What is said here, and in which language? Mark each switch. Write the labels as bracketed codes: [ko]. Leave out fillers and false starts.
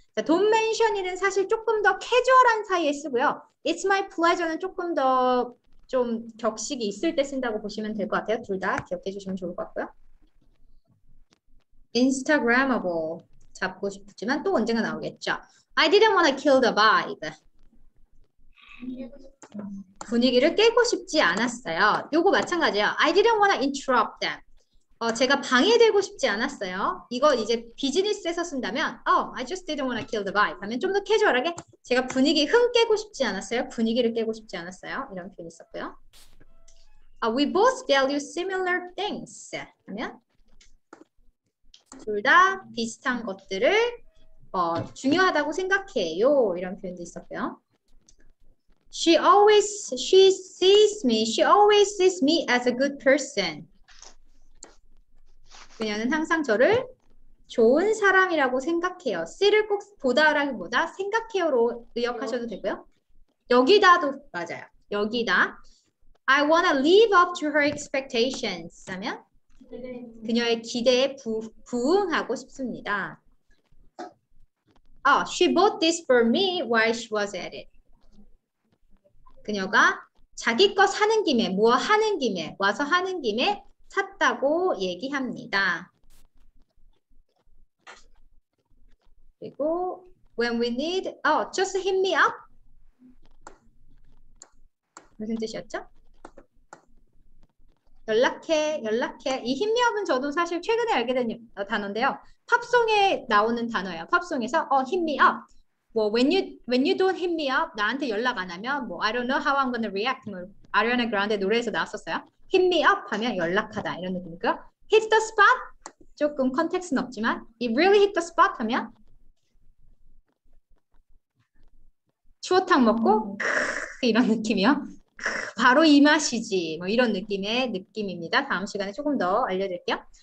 [ko] 자, [en] don't mention it [ko] 은 사실 조금 더 캐주얼한 사이에 쓰고요. [en] It's my pleasure [ko] 는 조금 더좀 격식이 있을 때 쓴다고 보시면 될것 같아요. 둘다 기억해 주시면 좋을 것 같고요. Instagrammable 잡고 싶지만 또 언젠가 나오겠죠. [en] I didn't want to kill the vibe. [ko] 분위기를 깨고 싶지 않았어요. 요거 마찬가지예요. [en] I didn't want to interrupt them. [ko] 제가 방해되고 싶지 않았어요. 이거 이제 비즈니스에서 쓴다면, [en] I just didn't want to kill the vibe. [ko] 하면 좀더 캐주얼하게, 제가 분위기 흠 깨고 싶지 않았어요. 분위기를 깨고 싶지 않았어요. 이런 표현이 있었고요. [en] We both value similar things. [ko] 하면, 둘다 비슷한 것들을, 중요하다고 생각해요. 이런 표현도 있었고요. [en] She sees me. She always sees me as a good person. [ko] 그녀는 항상 저를 좋은 사람이라고 생각해요. see를 꼭 보다라기보다 생각해요로 의역하셔도 되고요. 여기다도 맞아요. 여기다. [en] I wanna live up to her expectations. [ko] 하면 그녀의 기대에 부응하고 싶습니다. [en] She bought this for me while she was at it. [ko] 그녀가 자기 거 사는 김에, 뭐 하는 김에, 와서 하는 김에 샀다고 얘기합니다. 그리고 [en] when we need, just hit me up. [ko] 무슨 뜻이었죠? 연락해, 연락해. 이 hit me up은 저도 사실 최근에 알게 된 단어인데요. 팝송에 나오는 단어예요. 팝송에서 [en] hit me up. 뭐 when you don't hit me up, [ko] 나한테 연락 안 하면 뭐 [en] I don't know how I'm gonna react. [ko] 뭐, Ariana Grande 노래에서 나왔었어요. Hit me up 하면 연락하다 이런 느낌이고요. [en] Hit the spot [ko] 조금 컨텍스트는 없지만 [en] it really hit the spot [ko] 하면 추어탕 먹고 크 이런 느낌이요. 바로 이 맛이지 뭐 이런 느낌의 느낌입니다. 다음 시간에 조금 더 알려드릴게요.